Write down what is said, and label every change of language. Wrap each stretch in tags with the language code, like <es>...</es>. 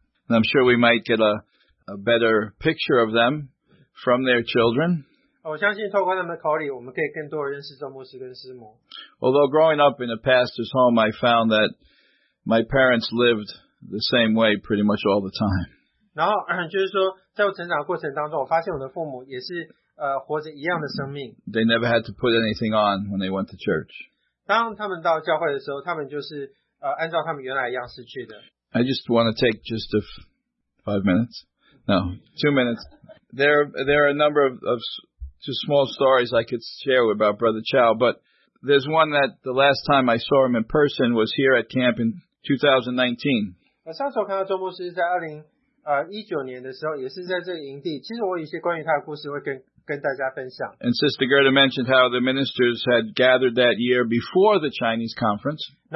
<en>I'm sure we might get a better picture of them from their children.</en> <zh>我相信透过他们的口里，我们可以更多认识周牧师跟师母。</zh> <en>Although growing up in a pastor's home, I found that my parents lived the same way pretty much all the time.</en> <zh>然后就是说，在我成长过程当中，我发现我的父母也是活着一样的生命。</zh> <en>They never had to put anything on when they went to church.</en> <zh>当他们到教会的时候，他们就是按照他们原来样式去的。I</zh> <en>just want to take just a 5 minutes? No, 2 minutes. There are a number of just small stories I could share about Brother Chow, but there's one that the last time I saw him in person was here at camp in 2019. And Sister Gerda mentioned how the ministers had gathered that year before the Chinese conference.</en>